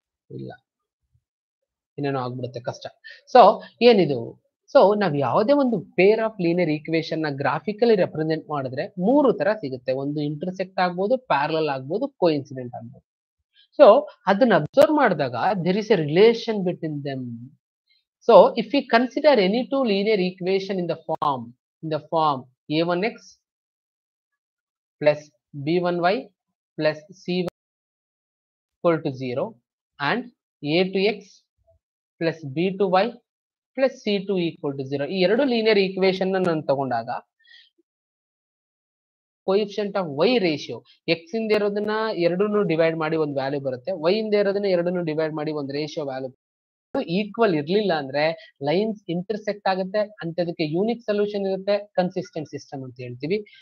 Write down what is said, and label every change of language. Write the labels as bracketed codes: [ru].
[kn] ಇಲ್ಲ, ಇನ್ನೇನೋ ಆಗ್ಬಿಡುತ್ತೆ, ಕಷ್ಟ. ಸೊ ಏನಿದು, ಸೊ ನಾವು ಯಾವುದೇ ಒಂದು ಪೇರ್ ಆಫ್ ಲೀನಿಯರ್ ಈಕ್ವೇಶನ್ ನ ಗ್ರಾಫಿಕಲಿ ರೆಪ್ರೆಸೆಂಟ್ ಮಾಡಿದ್ರೆ ಮೂರು ತರ ಸಿಗುತ್ತೆ, ಒಂದು ಇಂಟರ್ಸೆಕ್ಟ್ ಆಗ್ಬೋದು, ಪ್ಯಾರಲಲ್ ಆಗ್ಬೋದು, ಕೋಇನ್ಸಿಡೆಂಟ್ ಆಗ್ಬೋದು. ಸೊ ಅದನ್ನ ಅಬ್ಸರ್ವ್ ಮಾಡಿದಾಗ [en] There is a relation between them. So if you consider any two linear equation in the form A1x plus B1y plus C1 equal to 0 and A2x plus B2y plus C2 equal to 0. [kn] ಈ ಎರಡು linear equation ನಾನು ತಗೊಂಡಾಗ coefficient of Y ratio, X ಇಂದ ಇರೋದನ್ನ ಎರಡನ್ನು divide ಮಾಡಿ ಒಂದು value ಬರುತ್ತೆ, ವೈ ಇಂದ ಇರೋದನ್ನ ಎರಡನ್ನು ಡಿವೈಡ್ ಮಾಡಿ ಒಂದು ರೇಷಿಯೋ ವ್ಯಾಲ್ಯೂ. ಈಕ್ವಲ್ ಇರ್ಲಿಲ್ಲ ಅಂದ್ರೆ ಲೈನ್ಸ್ ಇಂಟರ್ಸೆಕ್ಟ್ ಆಗುತ್ತೆ ಅಂತ, ಅದಕ್ಕೆ ಯೂನಿಕ್ ಸೊಲ್ಯೂಷನ್ ಇರುತ್ತೆ, ಕನ್ಸಿಸ್ಟೆಂಟ್ ಸಿಸ್ಟಮ್ ಅಂತ ಹೇಳ್ತೀವಿ.